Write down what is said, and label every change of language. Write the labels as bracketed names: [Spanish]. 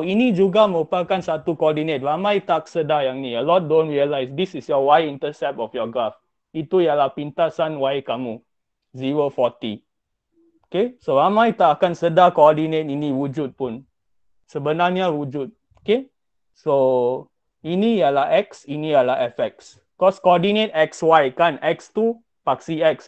[Malay] Ini juga merupakan satu koordinat. Ramai tak sedar yang ni. [English] A lot don't realize. This is your y-intercept of your graph. [Malay] Itu ialah pintasan y kamu. 0, 40. Okay? So, ramai tak akan sedar koordinat ini wujud pun. Sebenarnya wujud. Okay? So, ini ialah x. Ini ialah fx. Cos koordinat xy kan? X tu paksi x.